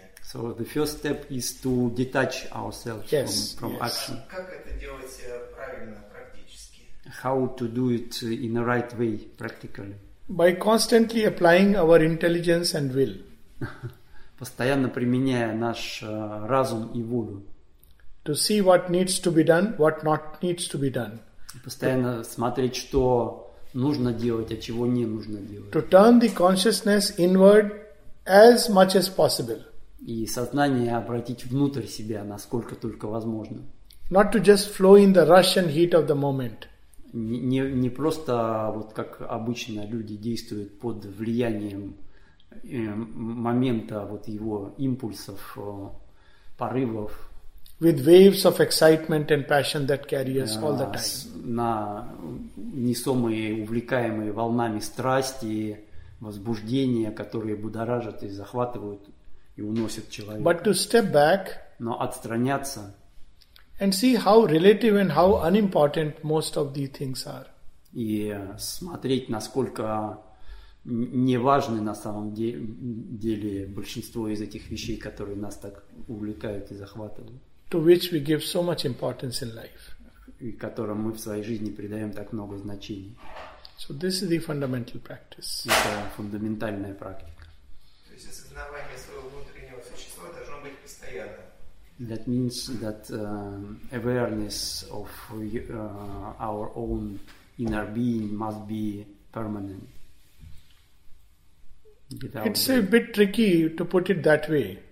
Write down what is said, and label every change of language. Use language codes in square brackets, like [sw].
[en] So the first step is to detach ourselves from action. [ru] Как это делать правильно, практически? [en] How to do it in the right way, practically? By constantly applying our intelligence and will. [ru] Постоянно применяя наш разум и волю. [en] To see what needs to be done, what not needs to be done. [ru] Постоянно смотреть, что нужно делать, а чего не нужно делать. [en] To turn the consciousness inward as much as possible. [ru] И сознание обратить внутрь себя, насколько только возможно. [en] Not to just flow in the rush and heat of the moment. [ru] Не просто, вот как обычно люди действуют под влиянием момента, вот его импульсов, порывов. [en] With waves of excitement and passion that carry us all the time. [ru] На несомые, увлекаемые волнами страсти, возбуждения, которые будоражат и захватывают и уносят человека. [en] But to step back. [ru] Но отстраняться. [en] And see how relative and how unimportant most of these things are. [ru] И смотреть, насколько неважны на самом деле большинство из этих вещей, которые нас так увлекают и захватывают. [en] To which we give so much importance in life. [ru] И которым мы в своей жизни придаем так много значений. [en] So this is the fundamental practice. [ru] Это фундаментальная практика. То есть осознавание своего внутреннего существа должно быть постоянно. [en] That means that awareness of our own inner being must be permanent. It's a bit tricky to put it that way.